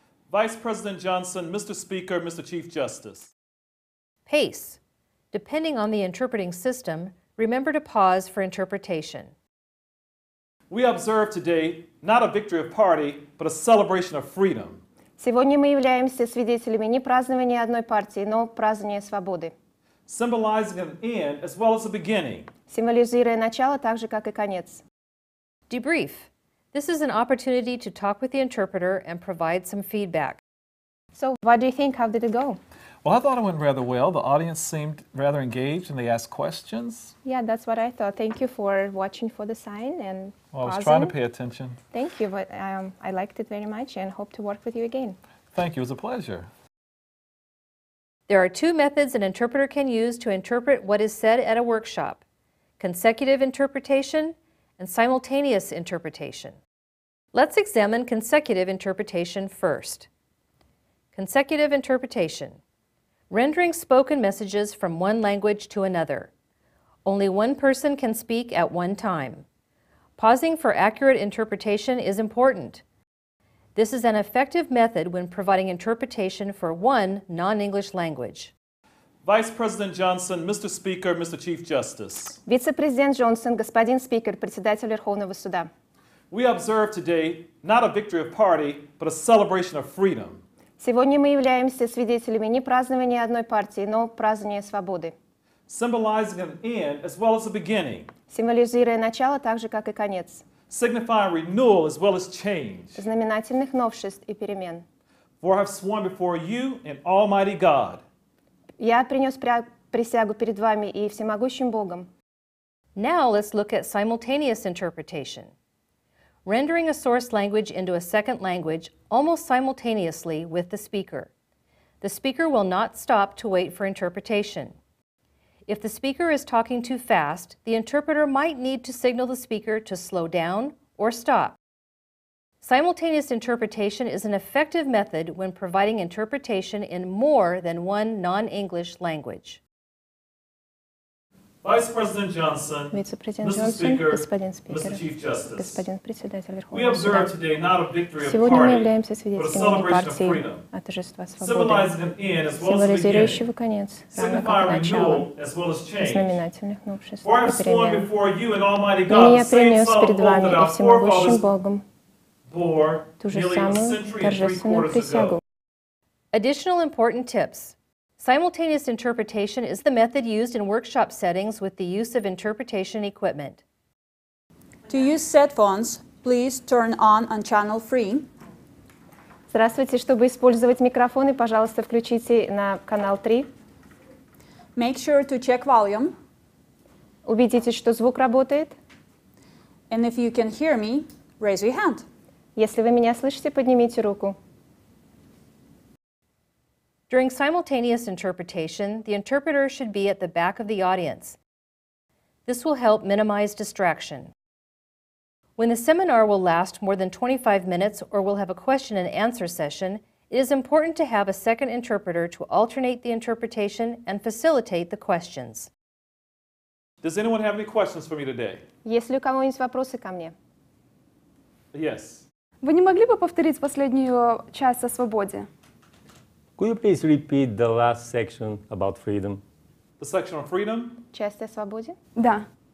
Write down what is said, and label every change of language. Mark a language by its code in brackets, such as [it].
[en] Vice President Johnson, Mr. Speaker, Mr. Chief Justice. Pace. Depending on the interpreting system, remember to pause for interpretation. We observe today not a victory of party, but a celebration of freedom. [ru] Сегодня мы являемся свидетелями не празднования одной партии, но празднования свободы. [en] Symbolizing an end as well as a beginning. [ru] Символизируя начало так же, как и конец. [en] Debrief. This is an opportunity to talk with the interpreter and provide some feedback. So, what do you think? How did it go? Well, I thought it went rather well. The audience seemed rather engaged and they asked questions. Yeah, that's what I thought. Thank you for watching for the sign and pausing. I was trying to pay attention. Thank you, but I liked it very much and hope to work with you again. Thank you. It was a pleasure. There are two methods an interpreter can use to interpret what is said at a workshop. Consecutive interpretation and simultaneous interpretation. Let's examine consecutive interpretation first. Consecutive interpretation. Rendering spoken messages from one language to another. Only one person can speak at one time. Pausing for accurate interpretation is important. This is an effective method when providing interpretation for one non-English language. Vice President Johnson, Mr. Speaker, Mr. Chief Justice. [ru] Вице-президент Джонсон, господин спикер, председатель Верховного суда. [en] We observe today not a victory of party, but a celebration of freedom. [ru] Сегодня мы являемся свидетелями не празднования одной партии, но празднования свободы. [en] Symbolizing an end as well as a beginning. [ru] Символизируя начало так же, как и конец. [en] Signifying renewal as well as change. [ru] Знаменательных новшеств и перемен. [en] For I have sworn before you and Almighty God. [ru] Я принес присягу перед вами и всемогущим Богом. [en] Now let's look at simultaneous interpretation. Rendering a source language into a second language almost simultaneously with the speaker. The speaker will not stop to wait for interpretation. If the speaker is talking too fast, the interpreter might need to signal the speaker to slow down or stop. Simultaneous interpretation is an effective method when providing interpretation in more than one non-English language. Vice President Johnson, [ru] Вице-президент [en] Mr. Johnson, Speaker, [ru] господин спикер, [en] Mr. Chief Justice, we observe today not a victory [ru] сегодня [en] of party, but a celebration of freedom, [ru] а торжества свободы, символизирующего конец, [en] signifying renewal as well as change. [ru] Знаменательных новшеств и перемен. И я принес перед вами и всемогущим Богом ту же самую торжественную присягу. [en] Additional important tips. Simultaneous interpretation is the method used in workshop settings with the use of interpretation equipment. To use headphones, please turn on channel 3. [ru] Здравствуйте, чтобы использовать микрофоны, пожалуйста, включите на канал 3. [en] Make sure to check volume. [ru] Убедитесь, что звук работает. [en] And if you can hear me, raise your hand. [ru] Если вы меня слышите, поднимите руку. [en] During simultaneous interpretation, the interpreter should be at the back of the audience. This will help minimize distraction. When the seminar will last more than 25 minutes or will have a question and answer session, it is important to have a second interpreter to alternate the interpretation and facilitate the questions. Does anyone have any questions for me today? [ru] Есть ли у кого-нибудь вопросы ко мне? [en] Yes. [ru] Вы не могли бы повторить последнюю часть о свободе? [en] Could you please repeat the last section about freedom? The section on freedom? [ru] Часть о свободе? Да.